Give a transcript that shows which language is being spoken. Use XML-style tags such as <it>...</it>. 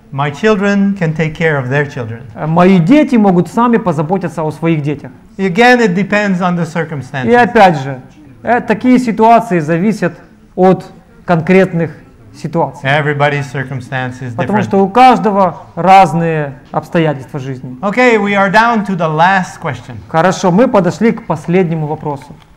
<en>My children can take care of their children.</en> <ru>Мои дети могут сами позаботиться о своих детях.</ru> <en>Again, it depends on the circumstances.</en> <ru>И опять же, такие ситуации зависят от конкретных ситуации.</ru> <en>Everybody's circumstances different.</en> <ru>Потому что у каждого разные обстоятельства жизни.</ru> <en>Okay, we are down to the last question.</en> <ru>Хорошо, мы подошли к последнему вопросу.</ru>